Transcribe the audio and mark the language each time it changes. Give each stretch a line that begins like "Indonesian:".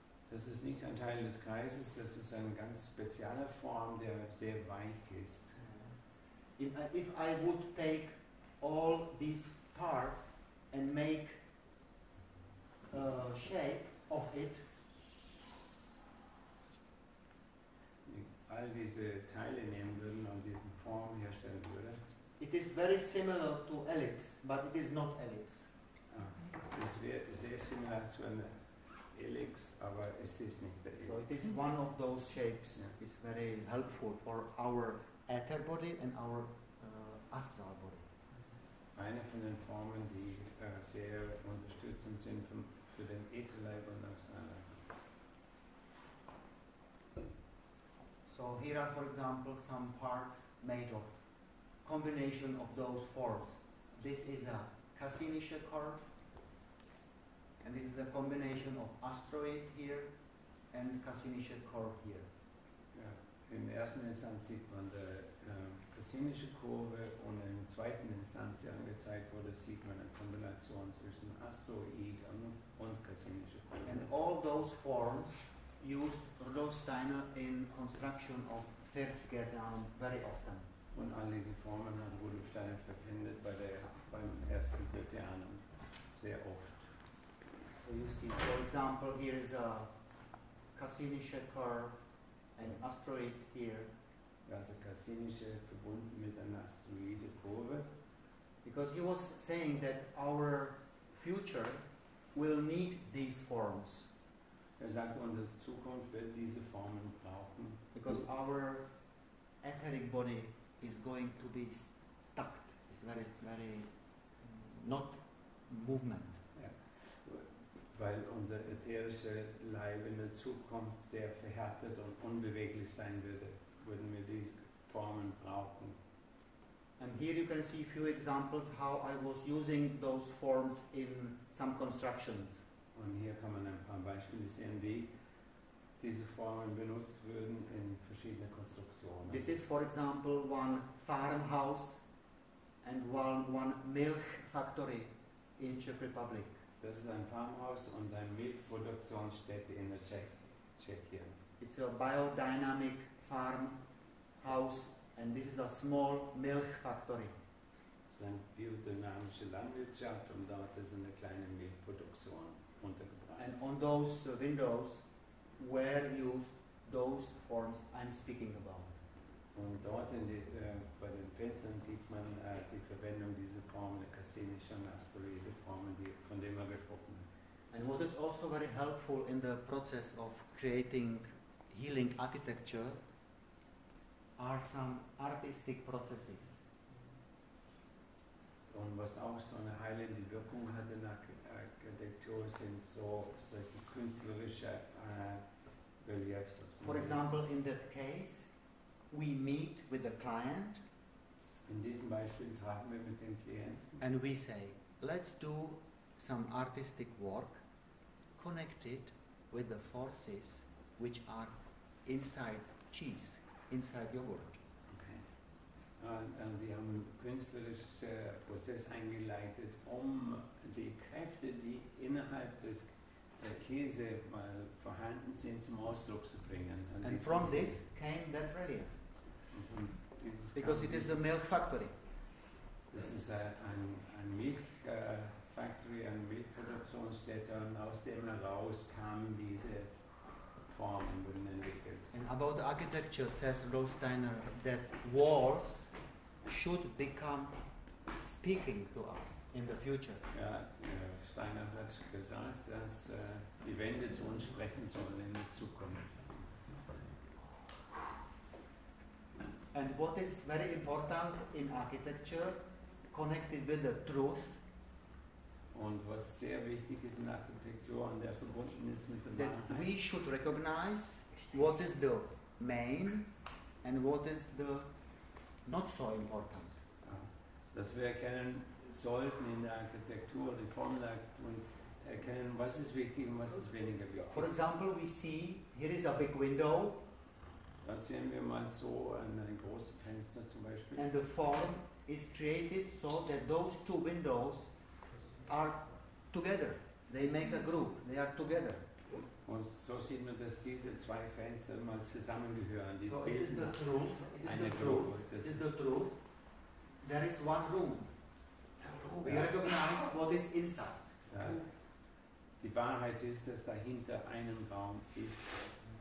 German: Das ist nicht ein Teil des Kreises, das ist eine ganz spezielle Form, der sehr weich ist.
English: If I would take all these parts and make a shape of it.
German: All diese Teile nehmen würden und diese Form herstellen würden.
English: It is very similar to ellipse, but it is not ellipse.
German: Ah, es wäre sehr similar zu einer Ellipse, aber es ist nicht der Ellipse.
English: So it is one of those shapes. Yeah. It's very helpful for our ether body and our astral body.
German: Eine von den Formen, die sehr unterstützend sind für den Ätherleib und das Astralleib.
English: So here are, for example, some parts made of combination of those forms. This is a Cassinische curve, and this is a combination of asteroid here and Cassinische curve here.
German: Ja, im ersten Instanz sieht man der Cassinische Kurve und im zweiten Instanz, die angezeigt wurde, sieht man eine Kombination zwischen Asteroid und Cassinische Kurve.
English: And all those forms used Rudolf Steiner in construction of first Gerdan very often.
German: Und all diese Formen hat Rudolf Steiner verwendet beim ersten Gerdan sehr oft.
English: So you see, for example, here is a Cassinische curve and asteroid here.
German: Also Cassinische verbunden mit einer asteroide Kurve.
English: Because he was saying that our future will need these forms.
German: Er sagte, unsere Zukunft wird diese Formen brauchen.
English: Because our etheric body is going to be stuck. It's very, very not movement.
German: Ja. Weil unser ätherischer Leib in der Zukunft sehr verhärtet und unbeweglich sein würde. Würden wir diese Formen brauchen.
English: And here you can see a few examples how I was using those forms in some constructions.
German: Und hier kann man ein paar Beispiele sehen, wie diese Formen benutzt würden in verschiedenen Konstruktionen.
English: This is, for example, one farmhouse and one milk factory in Czech Republic.
German: Das ist ein Farmhaus und eine Milchproduktionsstätte in der Tschechien.
English: It's a biodynamic farmhouse and this is a small milk factory.
German: Es ist eine biodynamische Landwirtschaft und dort ist eine kleine Milchproduktion.
English: And on those windows were used those forms I'm speaking about.
German: Und dort in die, bei den Fenstern sieht man die Verwendung dieser Formen, der Cassinische und Asteroide Formen, von denen wir gesprochen haben.
English: And what is also very helpful in the process of creating healing architecture are some artistic processes.
German: Und was auch so eine heilende Wirkung hat in Architektur sind solche künstlerische Reliefs.
English: For example, in that case, we meet with the client.
German: In diesem Beispiel treffen wir mit dem Klienten.
English: And we say, let's do some artistic work connected with the forces which are inside cheese, inside yogurt. Okay.
German: Die haben einen künstlerischen Prozess eingeleitet, um die Kräfte, die innerhalb des Käse mal vorhanden sind, zum Ausdruck zu bringen.
English: And from this came that relief. Because it is a milk factory. This is
German: ein Milchfactory, eine Milchproduktionsstätte, und aus dem heraus kamen diese Formen entwickelt.
English: And about architecture, says Rothsteiner, that walls should become speaking to us in the future.
German: Ja, Steiner hat gesagt, dass die Wände zu uns sprechen sollen in der Zukunft.
English: And what is very important in architecture, connected with the truth.
German: Und was sehr wichtig ist in Architektur und der verbunden ist mit der Wahrheit.
English: That we should recognize what is the main and what is the not so important.
German: Dass wir erkennen sollten in der Architektur, die Form der Architektur, erkennen, was ist wichtig und was ist weniger wichtig.
English: For example, we see, here is a big window.
German: Da sehen wir mal so ein großes Fenster zum Beispiel.
English: And the form is created so that those two windows are together. They make a group. They are together.
German: Und so sieht man, dass diese zwei Fenster mal zusammengehören. Die
English: so it is the truth. It is the truth. There is one room. We recognize what is inside.
German: Ja. Die Wahrheit ist, dass dahinter einen Raum ist.